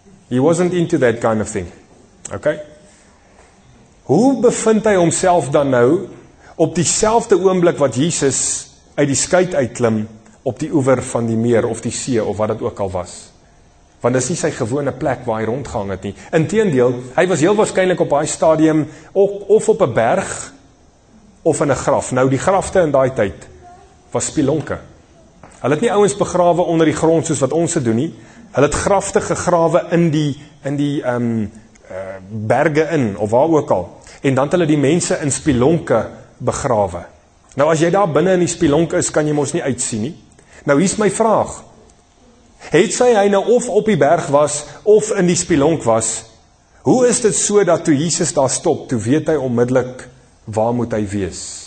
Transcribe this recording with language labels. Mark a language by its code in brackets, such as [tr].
[en] He wasn't into that kind of thing. Ok? [af] Hoe bevind hy homself dan nou op dieselfde oomblik wat Jesus uit die skuit uitklim op die oewer van die meer of die see of wat dit ook al was? Want dis nie sy gewone plek waar hy rondgehang het nie. Inteendeel, hy was heel waarskynlik op daai stadium of op 'n berg of in 'n graf. Nou, die grafte in daai tyd was spelonke. Hulle het nie ouens begrawe onder die grond soos wat ons se doen nie. Hulle het grafte gegrawe berge in, of waar ook al. En dan het hulle die mense in spelonke begrawe. Nou, as jy daar binne in die spelonk is, kan jy mos nie uitsien nie. Nou, hier is my vraag. Het sy hy nou of op die berg was, of in die spelonk was, hoe is dit so dat toe Jesus daar stop, toe weet hy onmiddellik waar moet hy wees?